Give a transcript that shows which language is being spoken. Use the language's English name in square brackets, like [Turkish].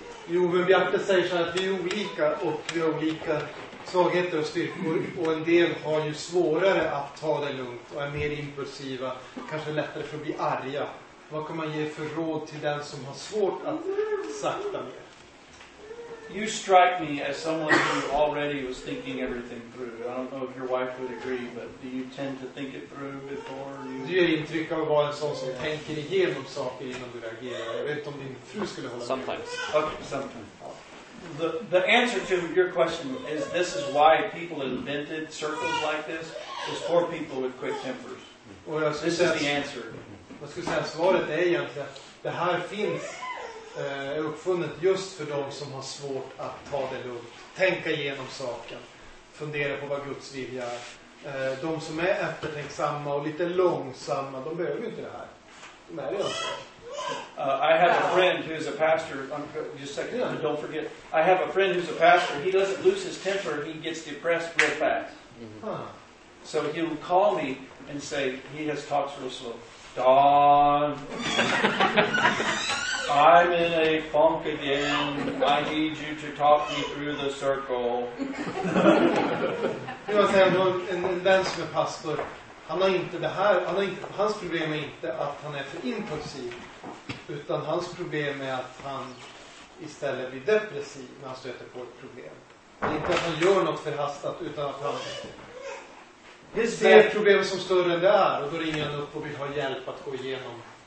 [Swedish] Jo, men Bjarte säger så att vi är olika och vi har olika svagheter och styrkor, och en del har ju svårare att ta det lugnt och är mer impulsiva, kanske lättare för att bli arga. Vad kan man ge för råd till den som har svårt att sakta ner? [English] You strike me as someone who already was thinking everything through. I don't know if your wife would agree, but do you tend to think it through before you... [Swedish] Du ger intryck av att vara en sån som tänker igenom saker innan du reagerar. Jag vet inte om din fru skulle hålla [English] sometimes. [Swedish] Med. [English] Sometimes. Okay, sometimes. The answer to your question is this is why people invented circles like this. It's for people with quick tempers. This is the answer. [Swedish] Vad skulle säga, svaret är egentligen det här finns... är uppfunnet just för de som har svårt att ta det lugnt, tänka igenom saken, fundera på vad Guds vilja är. De som är eftertänksamma och lite långsamma, de behöver inte det här. De är det. [English] I have a friend who is a pastor. Just a second, yeah. Don't forget. I have a friend who's a pastor. He doesn't lose his temper. He gets depressed real fast. So he'll call me and say he has talks real slow. Don. I'm in a funk again. I need you to talk me through the circle. [Swedish] Jag måste säga att en vän som är pastor, han har inte det här, han har inte, hans problem är inte att han är för impulsiv, utan hans problem är att han istället blir depressiv när han stöter på ett problem. Det är inte att han gör något förhastat, utan att han ser problemet som större än det är, och då ringer han upp och vill ha hjälp att gå igenom.